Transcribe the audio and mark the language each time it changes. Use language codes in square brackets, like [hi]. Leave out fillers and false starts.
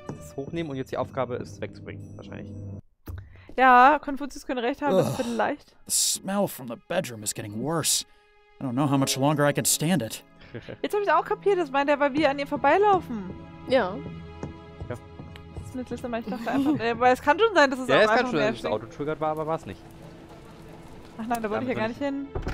[de] Das hochnehmen und jetzt die Aufgabe ist wegzubringen, wahrscheinlich. Ja, Konfuzius könnte recht haben, das wird leicht. [en] The smell from the bedroom is getting worse. I don't know how much longer I can stand it. [de] Jetzt habe ich auch kapiert, das meint er, weil wir an ihr vorbeilaufen. Ja. Ja. Das ist nicht Lissabon, ich dachte einfach, weil es kann schon sein, dass es ja, auch es kann schon sein, dass das Auto triggert war, aber war es nicht. Ach nein, da wollte ich ja gar nicht hin.